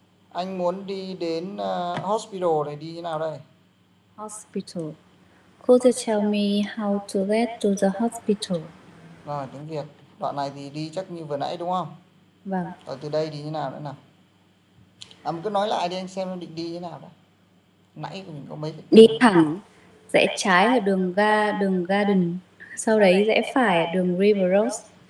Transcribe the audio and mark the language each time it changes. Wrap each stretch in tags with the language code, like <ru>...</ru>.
<vi>Anh muốn đi đến hospital này đi như nào đây?</vi> <en>Hospital. Could you tell me how to get to the hospital?</en> <vi>Rồi, tiếng Việt. Đoạn này thì đi chắc như vừa nãy đúng không? Vâng. Rồi từ đây đi như nào nữa nào? À, cứ nói lại đi anh xem định đi như nào đó. Nãy mình có mấy cái... Đi thẳng, rẽ trái là đường ga, đường Garden. Sau đấy rẽ phải đường River Rose.</vi>